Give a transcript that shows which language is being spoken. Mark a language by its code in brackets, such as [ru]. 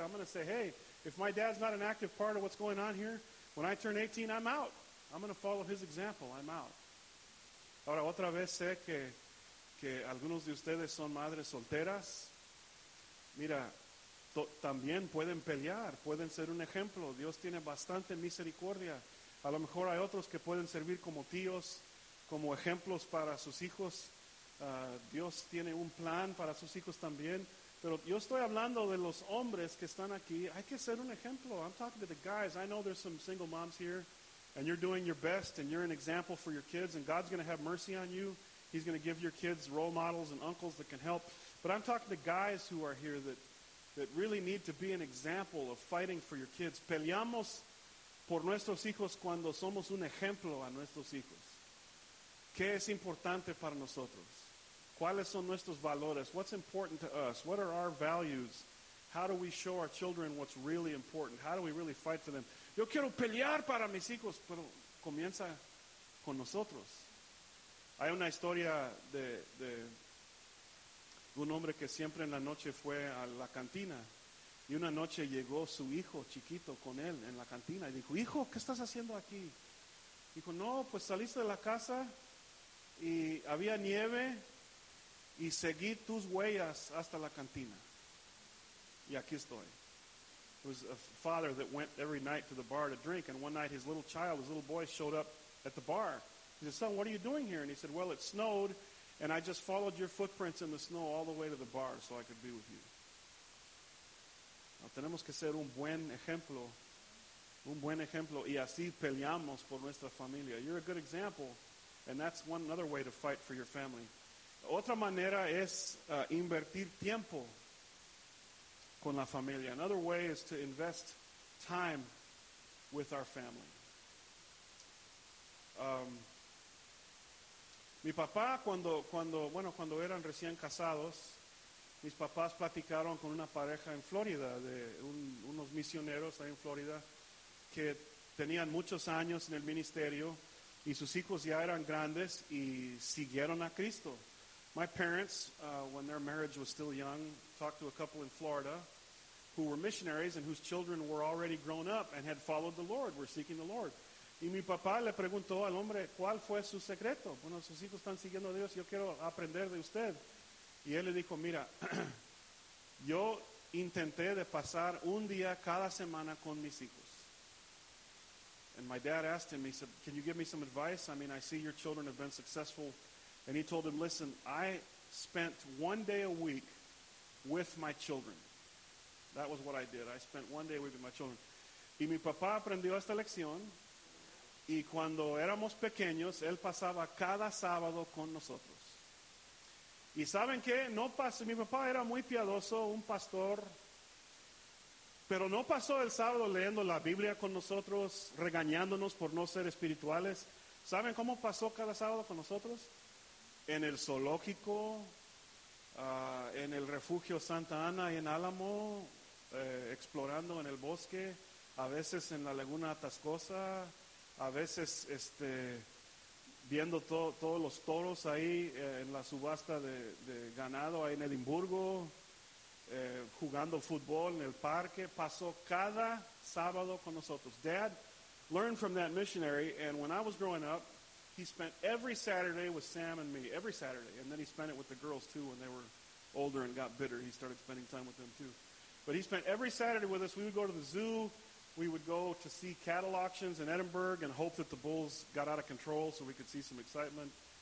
[en] I'm going to say, hey, if my dad's not an active part of what's going on here, when I turn 18, I'm out. I'm going to follow his example. I'm out. [es] Ahora, otra vez sé que algunos de ustedes son madres solteras. mira, también pueden pelear, pueden ser un ejemplo. Dios tiene bastante misericordia. A lo mejor hay otros que pueden servir como tíos, como ejemplos para sus hijos. Dios tiene un plan para sus hijos también. Pero yo estoy hablando de los hombres que están aquí. Hay que ser un ejemplo. [en] I'm talking to the guys. I know there's some single moms here. And you're doing your best. And you're an example for your kids. And God's going to have mercy on you. He's going to give your kids role models and uncles that can help. But I'm talking to guys who are here that really need to be an example of fighting for your kids. [es] Peleamos por nuestros hijos cuando somos un ejemplo a nuestros hijos. ¿Qué es importante para nosotros? ¿Cuáles son nuestros valores? [en] What's important to us? What are our values? How do we show our children what's really important? How do we really fight for them? [es] Yo quiero pelear para mis hijos, pero comienza con nosotros. Hay una historia de un hombre que siempre en la noche fue a la cantina. Y una noche llegó su hijo chiquito con él en la cantina. Y dijo, hijo, ¿qué estás haciendo aquí? Dijo, no, pues saliste de la casa y había nieve y seguí tus huellas hasta la cantina. Y aquí estoy. [en] It was a father that went every night to the bar to drink. And one night his little child, his little boy, showed up at the bar. He said, son, what are you doing here? And he said, well, it snowed. And I just followed your footprints in the snow all the way to the bar so I could be with you. [es] Now, tenemos que ser un buen ejemplo, y así peleamos por nuestra familia. [en] You're a good example, and that's one another way to fight for your family. [es] Otra manera es invertir tiempo con la familia. [en] Another way is to invest time with our family. [es] Mi papá, cuando eran recién casados, mis papás platicaron con una pareja en Florida, unos misioneros ahí en Florida, que tenían muchos años en el ministerio, y sus hijos ya eran grandes, y siguieron a Cristo. [en] My parents, when their marriage was still young, talked to a couple in Florida who were missionaries and whose children were already grown up and had followed the Lord, were seeking the Lord. [es] Y mi papá le preguntó al hombre, ¿cuál fue su secreto? Bueno, sus hijos están siguiendo a Dios, yo quiero aprender de usted. Y él le dijo, mira, yo intenté de pasar un día cada semana con mis hijos. [en] And my dad asked him, he said, can you give me some advice? I mean, I see your children have been successful. And he told him, listen, I spent one day a week with my children. That was what I did. I spent one day a week with my children. [es] Y mi papá aprendió esta lección. Y cuando éramos pequeños, él pasaba cada sábado con nosotros. Y ¿saben qué? No pasó. Mi papá era muy piadoso, un pastor. Pero no pasó el sábado leyendo la Biblia con nosotros, regañándonos por no ser espirituales. ¿Saben cómo pasó cada sábado con nosotros? En el zoológico, en el refugio Santa Ana y en Álamo, explorando en el bosque, a veces en la Laguna Atascosa. A veces, viendo todos los toros ahí en la subasta de ganado ahí en Edimburgo, jugando fútbol en el parque, pasó cada sábado con nosotros. [en] Dad learned from that missionary, and when I was growing up, he spent every Saturday with Sam and me, every Saturday. And then he spent it with the girls, too, when they were older and got bitter. He started spending time with them, too. But he spent every Saturday with us. We would go to the zoo. We would go to see cattle auctions in Edinburgh and hope that the bulls got out of control so we could see some excitement.